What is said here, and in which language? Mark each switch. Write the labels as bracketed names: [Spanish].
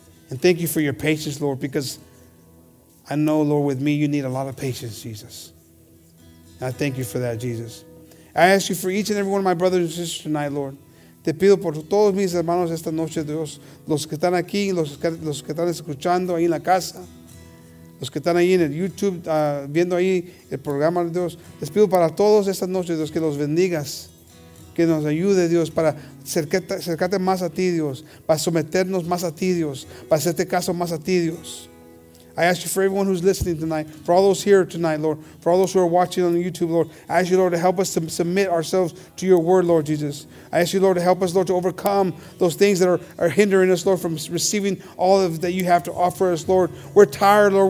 [English] And thank you for your patience, Lord, because I know, Lord, with me, you need a lot of patience, Jesus. And I thank you for that, Jesus. I ask you for each and every one of my brothers and sisters tonight, Lord. [Spanish] Te pido por todos mis hermanos esta noche, Dios. Los que están aquí, los que están escuchando ahí en la casa. Los que están ahí en el YouTube, viendo ahí el programa de Dios. Les pido para todos esta noche, Dios, que los bendigas. Que nos ayude, Dios, para acercarte más a ti, Dios. Para someternos más a ti, Dios. Para hacerte caso más a ti, Dios. [English] I ask you for everyone who's listening tonight, for all those here tonight, Lord, for all those who are watching on YouTube, Lord, I ask you, Lord, to help us to submit ourselves to your word, Lord Jesus. I ask you, Lord, to help us, Lord, to overcome those things that are hindering us, Lord, from receiving all of that you have to offer us, Lord. We're tired, Lord.